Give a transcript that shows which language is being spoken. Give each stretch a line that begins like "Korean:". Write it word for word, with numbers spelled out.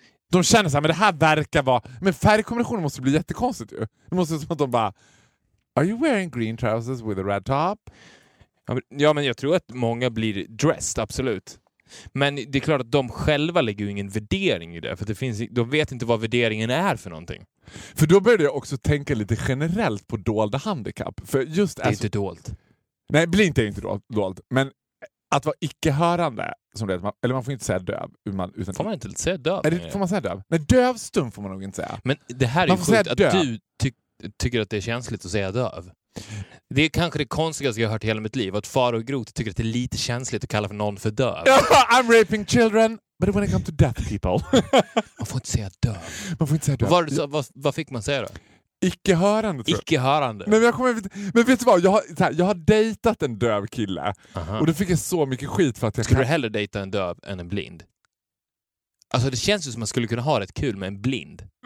Swedish: De känner så här, men det här verkar vara... Men färgkombinationen måste bli jättekonstigt ju. Det måste vara som att de bara...
English: Are you wearing green trousers with a red top?
Swedish: Ja, men jag tror att många blir dressed, absolut. Men det är klart att de själva lägger ju ingen värdering i det. För det finns, de vet inte vad värderingen är för någonting. För då började jag också tänka lite generellt på dolda handikapp. För just det är alltså, inte dolt. Nej, blint är inte dolt. Men att vara icke-hörande, som det är, eller man får inte säga döv. Man, utan, får man inte säga döv? Det, får man säga döv? Nej, dövstum får man nog inte säga. Men det här är ju sjukt att du ty- tycker att det är känsligt att säga döv. Det är kanske det konstigaste jag har hört i hela mitt liv. Att far och grot tycker att det är lite känsligt att kalla för någon för döv.
English: I'm raping children, but when it comes to deaf people.
Swedish: Man får inte säga döv. Man får inte säga döv. Var, så, vad, vad fick man säga då? Icke-hörande, tror jag. Icke-hörande. Nej, men, jag kommer, men vet du vad? Jag har, så här, jag har dejtat en döv kille. Aha. Och då fick jag så mycket skit för att jag... Skulle kan... du hellre dejta en döv än en blind? Alltså det känns ju som man skulle kunna ha rätt kul med en blind.